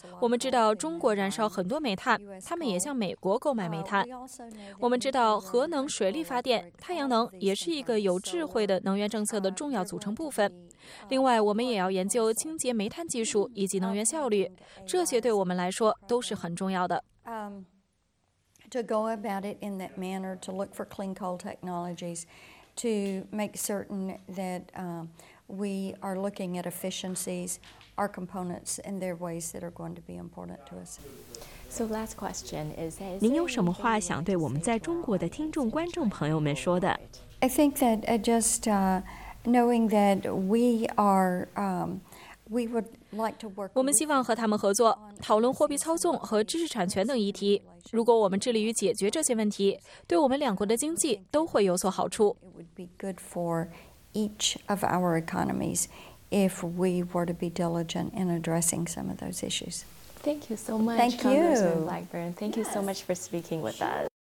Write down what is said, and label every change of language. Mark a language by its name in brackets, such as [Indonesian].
[Chinese] 我们知道中国燃烧很多煤炭，他们也向美国购买煤炭。我们知道核能、水力发电、太阳能也是一个有智慧的能源政策的重要组成部分。另外，我们也要研究清洁煤炭技术以及能源效率，这些对我们来说都是很重要的。 [English] To go about it in that manner, to look for clean coal technologies, to make certain that we are looking at efficiencies. Our components and their ways that are going to be important to us. So, last question is: [Chinese] 您有什么话想对我们在中国的听众观众朋友们说的 [English] ？I think that just knowing that we are, we would like to work. [Chinese] 我们希望和他们合作，讨论货币操纵和知识产权等议题。如果我们致力于解决这些问题，对我们两国的经济都会有所好处。 [English] It would be good for each of our economies. If we were to be diligent in addressing some of those issues. Thank you so much, Thank you. Congressman Blackburn. Thank you so much for speaking with us.